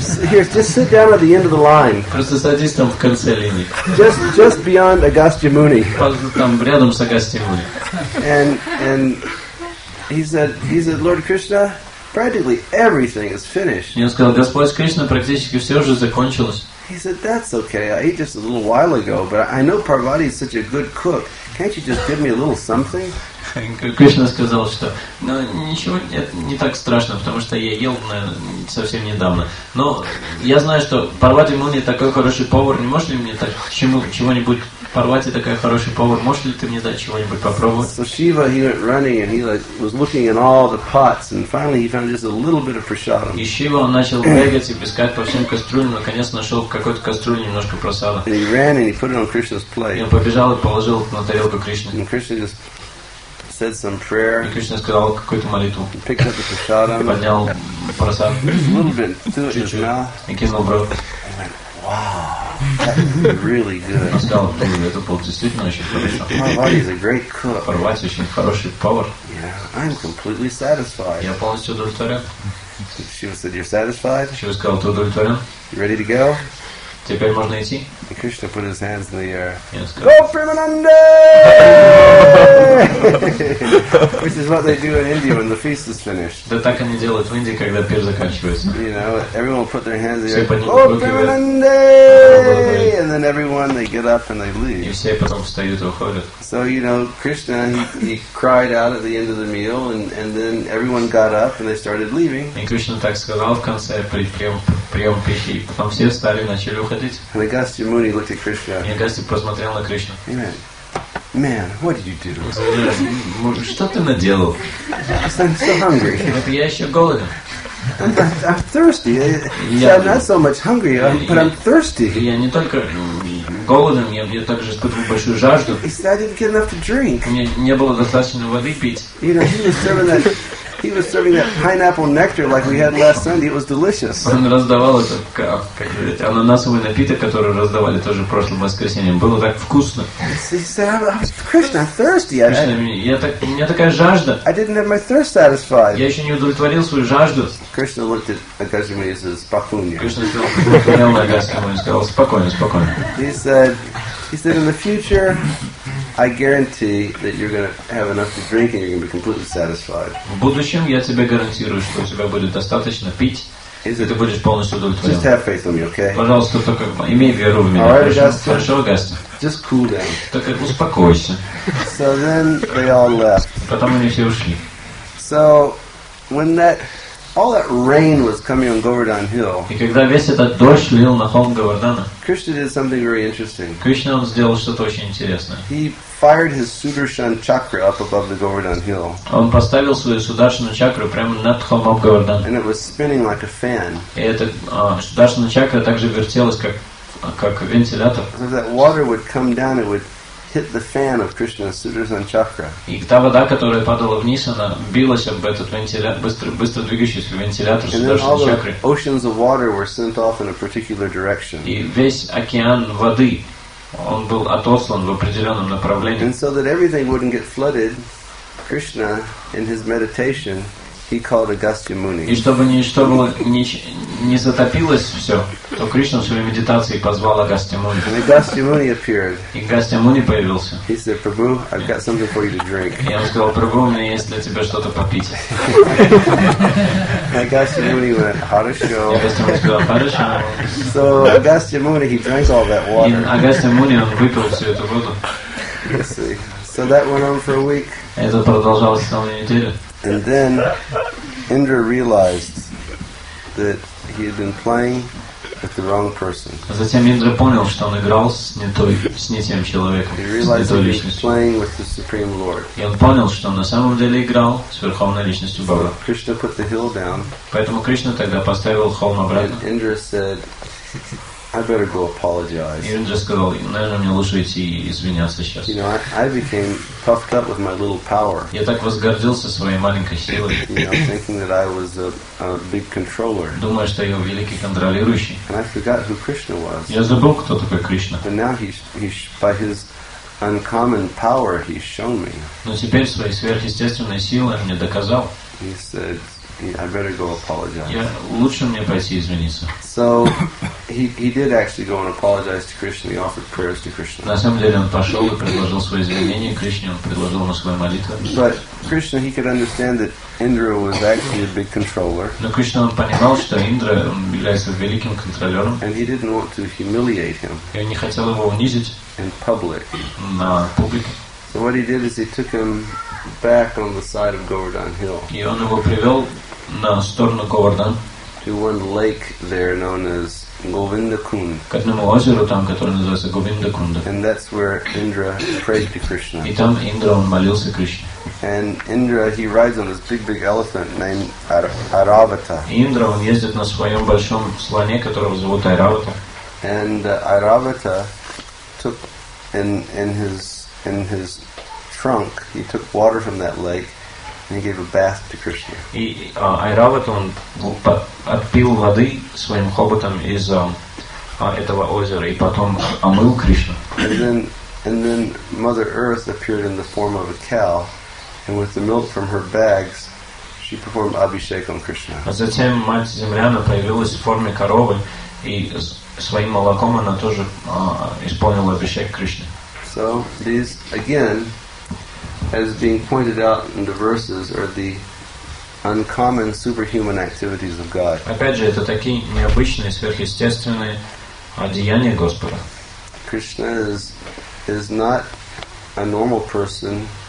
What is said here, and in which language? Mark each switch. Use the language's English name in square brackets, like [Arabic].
[English] Here, just sit down at the end of the line. [Russian] Просто садись там в конце линии. [English] Just beyond Agastya Muni. [Russian] Там рядом с Агастья Муни. [English] And he said, Lord Krishna, practically everything is finished. [Russian] И он сказал, Господь Кришна, практически все уже закончилось. [English] He said, that's okay. I ate just a little while ago, but I know Parvati is such a good cook. Can't you just give me a little something? [Russian] Кришна сказал, что ну, ничего, это не так страшно, потому что я ел, наверное, совсем недавно. Но я знаю, что Парвати Муни такой хороший повар, не можешь ли мне так чего-нибудь, Парвати такая хороший повар, можешь ли ты мне дать чего-нибудь попробовать? [English] So Shiva, he went running, and he like, was looking in all the pots, and finally he found just a little bit of prasadam. [Russian] И Шива, он начал бегать и искать по всем кастрюлям, наконец нашел в какой-то кастрюле немножко прасада. [English] And he ran, and he put it on Krishna's plate. [Russian] И он побежал и положил на тарелку Кришны. [English] And Krishna just said some prayer. [Russian] И Кришна сказал какую-то молитву. [English] Picked up the prasadam. [Russian] Поднял прасад. Чуть-чуть. И кинул в рот. [English] Really good. [Russian] Он сказал, это было действительно очень хорошо. [English] Parvati is a great cook. [Russian] Parvati очень хороший повар. [English] Yeah, I'm completely satisfied. [Russian] Я полностью удовлетворен. [English] Shiva said, you're satisfied. [Russian] Shiva сказал, ты удовлетворен. [English] Ready to go? [Russian] Теперь можно идти. [English] And Krishna put his hands in the air. Yes, go Premananda! Which is what they do in India when the feast is finished. [Russian] Да так они делают в Индии, когда пир заканчивается. [English] You know, everyone will put their hands in the air. [Russian] Все поднимут руки. [English] Go Premananda! And then everyone, they get up and they leave. [Russian] И все потом встают и уходят. [English] So, you know, Krishna, he cried out at the end of the meal, and then everyone got up and they started leaving. [Russian] И Кришна так сказал в конце, прием пищи. И потом все встали и начали уходить. [English] And Agastya Muni looked at Krishna. [Russian] И Агастья посмотрел на Кришну. [English] Amen. Man, what did you do? [Russian] Что ты наделал? [English] I'm so hungry. [Russian] Вот я еще голоден. [English] I'm thirsty. I'm not so much hungry, but I'm thirsty. [Russian] Я не только голоден, я также испытываю большую жажду. [English] He said, I didn't get enough to drink. [Russian] Мне не было достаточно воды пить. [English] You know, he was serving that pineapple nectar like we had last Sunday. It was delicious. [Russian] Он раздавал этот ананасовый напиток, который раздавали тоже в прошлом воскресенье. Было так вкусно. [English] He said, Krishna, I'm thirsty. [Russian] У меня такая жажда. [English] I didn't have my thirst satisfied. [Russian] Я еще не удовлетворил свою жажду. [English] Krishna looked at Agastya Muni and said, [Polish] "Spokojnie." [English] Krishna looked at Agastya Muni and said, [Polish] "Spokojnie, spokojnie." [English] He said, "In the future, I guarantee that you're going to have enough to drink and you're going to be completely satisfied." [Russian] В будущем я тебе гарантирую, что у тебя будет достаточно пить, и ты будешь полностью удовлетворен. [English] Just have faith in me, okay? [Russian] Пожалуйста, только имей веру в меня. [English] All right, Agastya. [Russian] Хорошо, Агастья. [English] Just cool down. [Russian] Только успокойся. [English] So then they all left. [Russian] Потом они все ушли. [English] So when that all that rain was coming on Govardhan Hill. [Russian] И когда весь этот дождь лил на холм Говардана. [English] Krishna did something very interesting. [Russian] Кришна сделал что-то очень интересное. [English] He fired his Sudarshan chakra up above the Govardhan Hill. [Russian] Он поставил свою Сударшану чакру прямо над холмом Говардана. [English] And it was spinning like a fan. [Russian] И эта Сударшана чакра также вертелась как вентилятор. [English] So that water would come down, it would hit the fan of Krishna's Sudarshan chakra. [Russian] И та вода, которая падала вниз, она билась об этот вентилятор, быстро двигающийся вентилятор Сударшан чакры. [English] And then all the oceans of water were sent off in a particular direction. [Russian] И весь океан воды, он был отослан в определенном направлении. [English] And so that everything wouldn't get flooded, Krishna, in his meditation, he called Agastya Muni. [Russian] И чтобы ничто не затопилось все, то Кришна в своей медитации позвал Агастья-муни. [English] And Агастья-муни appeared. [Russian] И Агастья-муни появился. [English] He said, Prabhu, I've got something for you to drink. [Russian] И он сказал, Прабху, у меня есть для тебя что-то попить. [English] And Агастья-муни went, [Russian] хорошо. И Агастья-муни сказал, хорошо. [English] So Агастья-муни, he drank all that water. [Russian] И Агастья-муни, он выпил всю эту воду. [English] So that went on for a week. [Russian] Это продолжалось целую неделю. [English] And then Indra realized that he had been playing with the wrong person. [Russian] Затем Индра понял, что он играл с не той, с не тем человеком. [English] He realized that he was playing with the Supreme Lord. [Russian] И он понял, что он на самом деле играл с верховной личностью Бога. [English] Кришна put the hill down. [Russian] Поэтому Кришна тогда поставил холм обратно. [English] And Indra said, I better go apologize. [Russian] Индра сказал, наверное, мне лучше идти и извиняться сейчас. [English] You know, I became puffed up with my little power. [Russian] Я так возгордился своей маленькой силой. [English] You know, thinking that I was a big controller. [Russian] Думаю, что я великий контролирующий. [English] And I forgot who Krishna was. [Russian] Я забыл, кто такой Кришна. [English] And now he's by his uncommon power, he's shown me. [Russian] Но теперь своей сверхъестественной силой мне доказал. [English] He said, I better go apologize. [Russian] Я лучше мне пойти извиниться. [English] So he did actually go and apologize to Krishna. He offered prayers to Krishna. [Russian] На самом деле он пошел и предложил свои извинения Кришне. Он предложил ему свою молитву. [English] But Krishna, he could understand that Indra was actually a big controller. [Russian] Но Кришна понимал, что Индра является великим контролером. [English] And he didn't want to humiliate him. [Russian] И он не хотел его унизить. [English] In public. [Russian] На публике. [English] So what he did is he took him back on the side of Govardhan Hill. [Russian] И он его привел на сторону Говардан. [English] To one lake there known as Govindakund. [Russian] К одному озеру там, которое называется Говиндакунда. [English] And that's where Indra prayed to Krishna. [Russian] И там Индра он молился Кришне. [English] And Indra, he rides on this big elephant named Airavata. [Russian] Индра он ездит на своем большом слоне, которого зовут Airavata. [English] And Airavata took in his trunk, he took water from that lake and he gave a bath to Krishna. [Russian] И Айравата он отпил воды своим хоботом из этого озера и потом омыл Кришну. [English] And then Mother Earth appeared in the form of a cow, and with the milk from her bags, she performed abhishek on Krishna. [Russian] А затем Мать Земля появилась в форме коровы и своим молоком она тоже исполнила абхишек Кришне. [English] So these, again, as being pointed out in the verses, are the uncommon superhuman activities of God. [Russian] Опять же, это такие необычные сверхъестественные деяния Господа. [English] Krishna is not a normal person.